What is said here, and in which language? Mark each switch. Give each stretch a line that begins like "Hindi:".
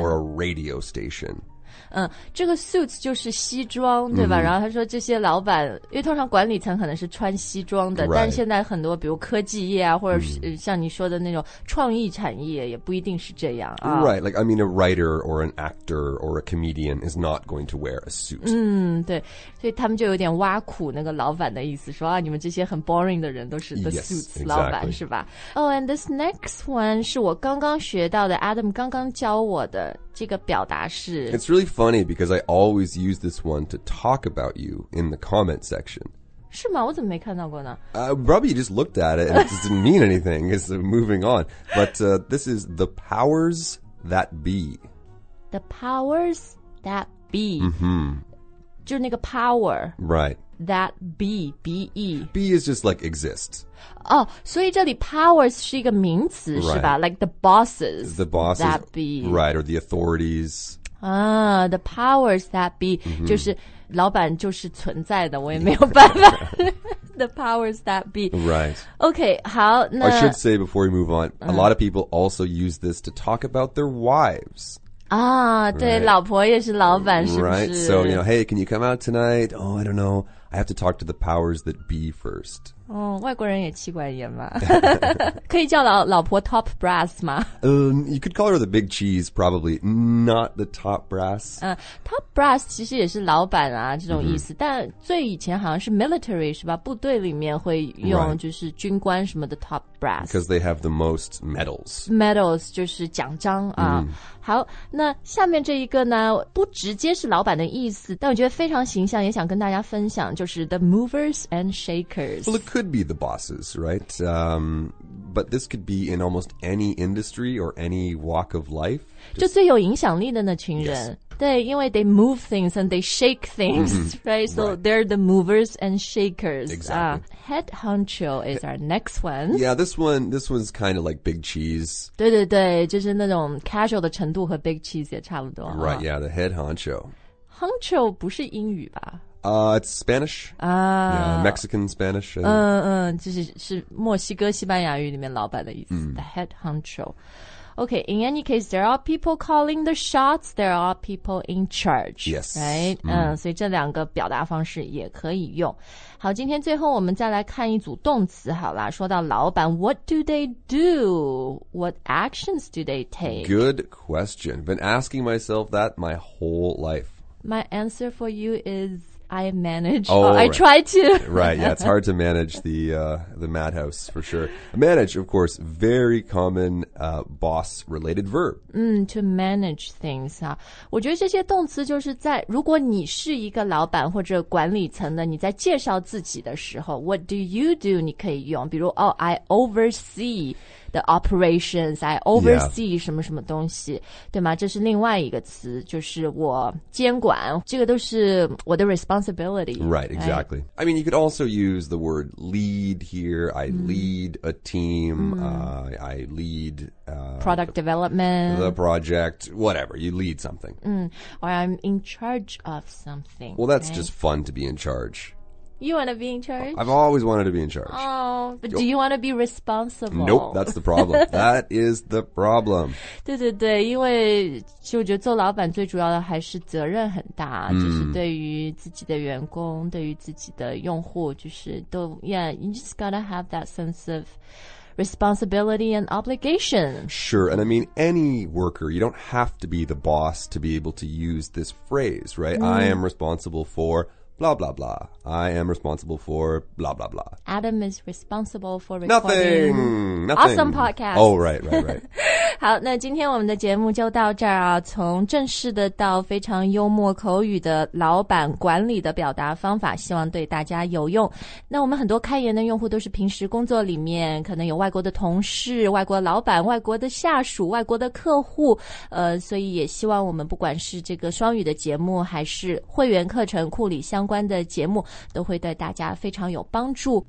English: or a radio station.
Chinese: 这个 suits 就是西装对吧、mm-hmm. 然后他说这些老板因为通常管理层可能是穿西装的、
English: right.
Chinese: 但现在很多比如科技业啊或者是、mm-hmm. 像你说的那种创意产业也不一定是这样、啊、
English: Right, like I mean a writer or an actor or a comedian is not going to wear a suit.
Chinese: 嗯对所以他们就有点挖苦那个老板的意思说啊你们这些很 boring 的人都是 the suits
English: yes,
Chinese: 老板、
English: exactly.
Chinese: 是吧
English: Oh, and this next one
Chinese: 是我刚刚学到的 Adam 刚刚教我的这个表达是
English: It's really funny because I always use this one to talk about you in the comment section.
Chinese: 是吗？我怎么没看到过呢？
English: Probably you just looked at it and it didn't mean anything. It's moving on. But this is the powers that be. The powers that be. Mm-hmm.
Chinese: 就是那个 power.
English: Right. That B-E. B is just like exist.
Chinese: Oh, 所以这里 powers 是一个名词、
English: right.
Chinese: 是吧
English: Like the bosses. The bosses. That B. Right, or the authorities. Ah, the powers that be.、Mm-hmm.
Chinese: 就是老板就是存在的我也没有办法。
English: the powers that be. Right.
Chinese: Okay, 好那
English: I should say before we move on,、a lot of people also use this to talk about their wives.
Chinese: Ah, 对
English: right.
Chinese: 老婆也是老板是不是
English: Right, so, you know, hey, can you come out tonight? Oh, I don't know. I have to talk to the powers that be first.
Chinese: 哦外国人也妻管严嘛。可以叫老婆 top brass 吗、
English: you could call her the big cheese, probably. Not the top brass.、
Chinese: top brass 其实也是老板啊这种意思、mm-hmm. 但最以前好像是 military, 是吧部队里面会用就是军官什么的 top brass.
English: Because they have the most medals.
Chinese: Medals 就是奖章啊。 Mm-hmm. 好那下面这一个呢不直接是老板的意思但我觉得非常形象也想跟大家分享就是 the movers and shakers.
English: Well, it could be the bosses, right?、but this could be in almost any industry or any walk of life.
Chinese: Just, 就最有影响力的那群人。
English: Yes.
Chinese: 对因为
English: they move things and they shake things,、mm-hmm. right? So right. they're the movers and shakers. Exactly.、 Head honcho is our next one. Yeah, this one's kind of like big cheese.
Chinese: 对对对就是那种 casual 的程度和 big cheese 也差不多。
English: Right, yeah, the head honcho.
Chinese: Honcho 不是英语吧
English: It's Spanish. Yeah, Mexican Spanish.
Chinese: 就是墨西哥西班牙语里面老板的意思、mm.
English: The head honcho. Okay, in any case, there are people calling the shots, there are people in charge. Yes. Right?、Mm.
Chinese: 所以这两个表达方式也可以用。好今天最后我们再来看一组动词好啦说到老板 ,
English: what do they do? What actions do they take? Good question. Been asking myself that my whole life. My answer for you is I manage. Oh, I try to. Right, yeah, it's hard to manage the madhouse for sure. Manage, of course, very common boss-related verb. To manage things.
Chinese: 我觉得这些动词就是在如果你是一个老板或者管理层的你在介绍自己的时候
English: what do you do?
Chinese: 你可以用比如
English: oh, I oversee the operations. I oversee、 yeah.
Chinese: 什么什么东西对吗这是另外一个词就是我监管这个都是我的 responsibility.
English: Right, exactly.、 Right? I mean, you could also use the word lead here. I、mm. lead a team.、Mm. I lead... product development. The project, whatever. You lead something.、 Mm. Or I'm in charge of something. Well, that's、 right? just fun to be in charge. You want to be in charge? I've always wanted to be in charge. Oh, But do you want to be responsible? Nope, that's the problem. That is the problem.
Chinese: 对对对，因为其实我觉得做老板最主要的还是责任很大，就是对于自己的员工，对于自己的用户，就是都
English: yeah, you just gotta have that sense of responsibility and obligation. Sure, and I mean any worker, you don't have to be the boss to be able to use this phrase, right? Mm. I am responsible for... blah, blah, blah. I am responsible for blah, blah, blah. Adam is responsible for recording. Nothing! Nothing! Awesome podcast! Oh, right, right, right.
Chinese: 好，那今天我们的节目就到这儿啊。从正式的到非常幽默口语的老板管理的表达方法，希望对大家有用。那我们很多开言的用户都是平时工作里面可能有外国的同事、外国老板、外国的下属、外国的客户，所以也希望我们不管是这个双语的节目还是会员课程库里相关的节目都会对大家非常有帮助。